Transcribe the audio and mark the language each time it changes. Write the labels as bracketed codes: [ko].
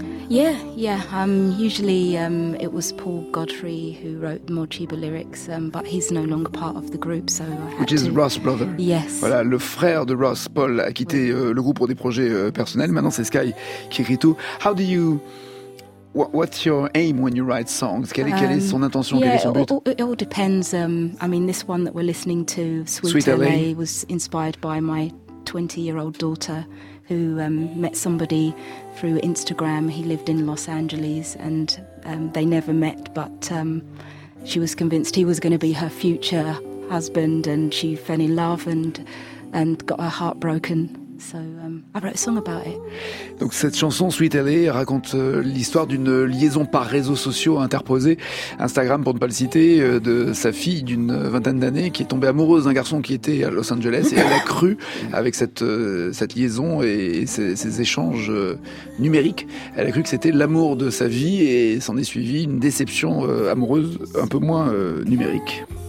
[en] Usually it was Paul Godfrey who wrote the More Chiba lyrics, but he's no longer part of the group, so I had Which is to... Ross' brother. Yes. [fr] Voilà, le frère de Ross, Paul, a quitté le groupe pour des projets personnels. Maintenant, c'est Sky qui écrit tout. [en] How do you... What's your aim when you write songs? [fr] Quelle est son intention? [en] Yeah, [fr] quel est son but? [en] It all depends. I mean, this one that we're listening to, Sweet LA, was inspired by my 20-year-old daughter who met somebody through Instagram. He lived in Los Angeles and they never met, but she was convinced he was going to be her future husband, and she fell in love and got her heart broken. So, I wrote a song about it. [fr] Donc cette chanson Sweet LA raconte l'histoire d'une liaison par réseaux sociaux interposée, Instagram pour ne pas le citer, de sa fille d'une vingtaine d'années qui est tombée amoureuse d'un garçon qui était à Los Angeles, et elle a cru avec cette liaison et ces échanges numériques, elle a cru que c'était l'amour de sa vie, et s'en est suivie une déception amoureuse un peu moins numérique.